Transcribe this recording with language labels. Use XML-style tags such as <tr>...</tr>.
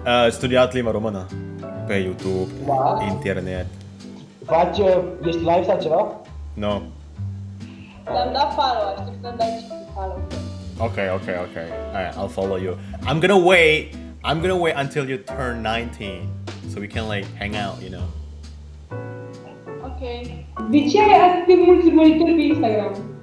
<ro>Studiat limba română pe YouTube, internet. Faci, ești live sau ceva? Nu. Am dat follow, așteptam dat și follow.</ro> <en>Okay. Alright, I'll follow you. I'm gonna wait until you turn 19 so we can like hang out, you know. Okay.</en> <ro>De ce ai atât de mulți urmăritori pe Instagram?</ro>